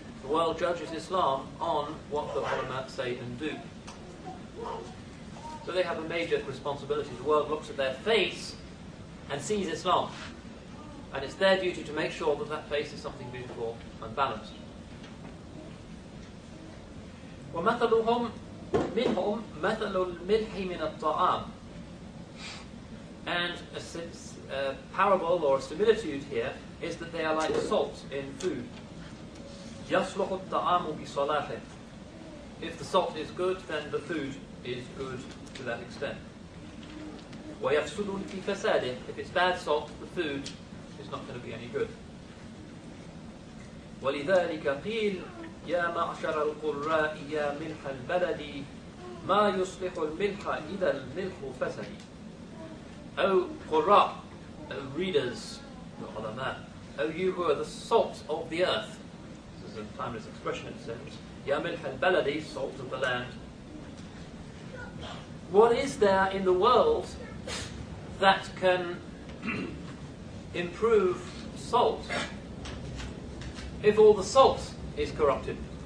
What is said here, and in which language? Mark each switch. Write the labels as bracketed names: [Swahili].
[English] The world judges Islam on what the ulama say and do. So they have a major responsibility. The world looks at their face and sees Islam. And it's their duty to make sure that that face is something beautiful and balanced. [Arabic] وَمَثَلُهُمْ مِنْهُمْ مَثَلُ الْمِلْحِ مِنَ الطَّعَامِ. And [English] parable or similitude here is that they are like salt in food. [Arabic] يصلح الطعام بصلاحه. [English] If the salt is good, then the food is good to that extent. [Arabic] ويفسد في فساده. [English] If it's bad salt, the food is not going to be any good. [Arabic] ولذلك قيل يا معشر القراء يا ملح البلد ما يصلح الملح إذا الملح فسد. [English] O قراء, O readers, O علماء, O you who are the salt of the earth. This is a timeless expression, it says. [Arabic] يا ملح البلد, [English] salt of the land. What is there in the world that can improve salt if all the salt is corrupted?